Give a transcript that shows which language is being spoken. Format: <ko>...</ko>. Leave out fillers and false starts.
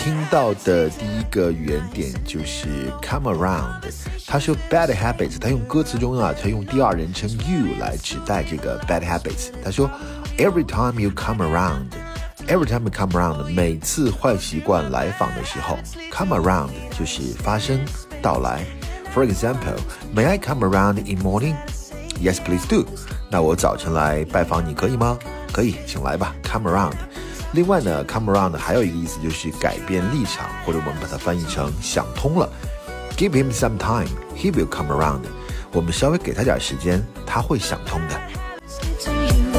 <zh>到的第一个语言点就是 come around， 他说 bad habits， 他用歌词中啊，他用第二人称 you 来指代这个 bad habits， 他说</zh> <en>every time you come around，</en> <zh>every time you come around， 每次坏习惯来访的时候 come around 就是发生到来。</zh> <en>For example， may I come around in morning？ Yes please do，</en> <zh>那我早晨来拜访你可以吗？可以，请来吧， come around。另外呢 come around 还有一个意思就是改变立场，或者我们把它翻译成想通了。</zh> <en>Give him some time, he will come around.</en> <zh>我们稍微给他点时间，他会想通的。</zh>